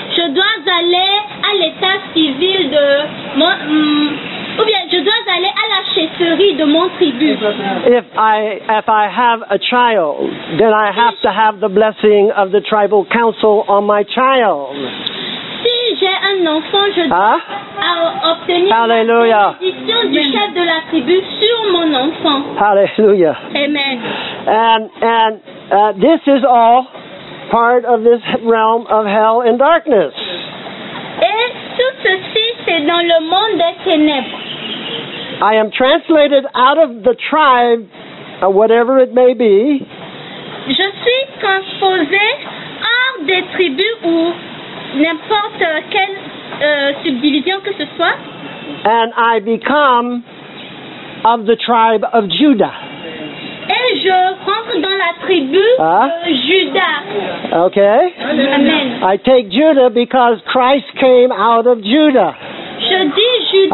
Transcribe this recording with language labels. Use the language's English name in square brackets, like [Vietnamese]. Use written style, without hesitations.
[French] Je dois aller à l'état civil de mon, ou bien je dois aller à la chef fratrie de mon tribu. [English] If I have a child, then I have to have the blessing of the tribal council on my child. [French] Si j'ai un enfant, je dois obtenir Hallelujah. La bénédiction du chef de la tribu sur mon enfant. Hallelujah. Amen. [English] And this is all part of this realm of hell and darkness. [French] Et tout ceci, c'est dans le monde des ténèbres. [English] I am translated out of the tribe, whatever it may be. [French] Je suis transposé hors des tribus ou n'importe quelle subdivision que ce soit. [English] And I become of the tribe of Judah. [French] Et je rentre dans la tribu Judah. Okay. Amen. [English] I take Judah because Christ came out of Judah. [French] Je dis Judah.